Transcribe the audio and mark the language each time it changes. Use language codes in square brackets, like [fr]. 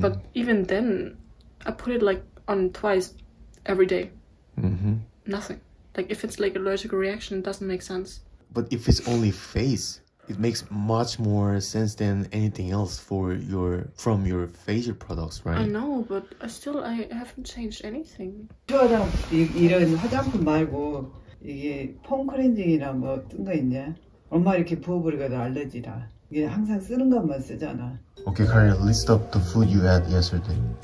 [en] But even then, I put it like on twice every day. Mm-hmm. Nothing. Like if it's like allergic reaction, it doesn't make sense. But if it's only face, it makes much more sense than anything else from your facial products, right? I know, but I haven't changed anything. [ko] 화장 이런 화장품 말고 이게 폼 클렌징이나 뭐 어떤 거 있냐? 엄마 이렇게 부어버리거든 알레르기라. 이게 항상 쓰는 것만 쓰잖아. [en] Okay, Kari, list up the food you had yesterday.